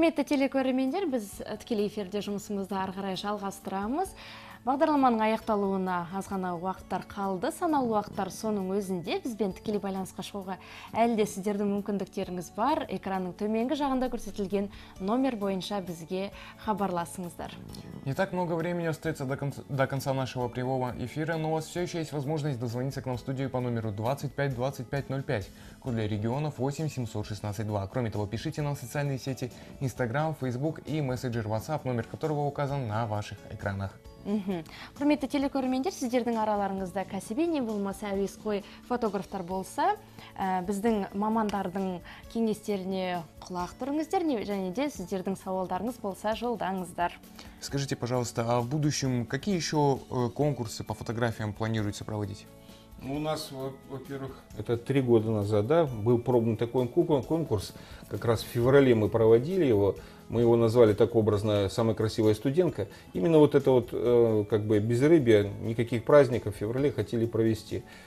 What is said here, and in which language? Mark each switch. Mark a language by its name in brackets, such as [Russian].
[Kazakh] Құрметті телекөрермендер, біз тікелей эфирде жұмысымызды ары қарай жалғастырамыз. Бағдарламаның аяқталуына аз ғана уақыттар қалды. Санаулы уақыттар соның өзінде бізбен тікелей байланысқа шығуға әлі де сіздердің мүмкіндіктеріңіз бар. Экранның төменгі жағында көрсетілген номер бойынша бізге хабарласыңыздар. [Russian] Не так много времени остается до конца нашего прямого эфира, но у вас все еще есть возможность дозвониться к нам в студию по номеру 252505, код для регионов 8-716-2. Кроме того, пишите нам в социальные сети Instagram, Facebook и мессенджер WhatsApp, номер которого указан на ваших экранах. [Kazakh] Құрметті телекөрермендер, сіздердің араларыңызда кәсіби не болмаса әуесқой фотографтар болса, біздің мамандардың кеңестеріне құлақ түріңіздер, және де сіздердің сауалдарыңыз болса жолдаңыздар. [Russian] Скажите, пожалуйста, а в будущем какие еще конкурсы по фотографиям планируется проводить? Ну, у нас, во-первых, это 3 года назад, да, был пробован такой конкурс, как раз в феврале мы проводили его. Мы его назвали так образно «Самая красивая студентка». Именно вот это вот как бы безрыбье, никаких праздников в феврале хотели провести.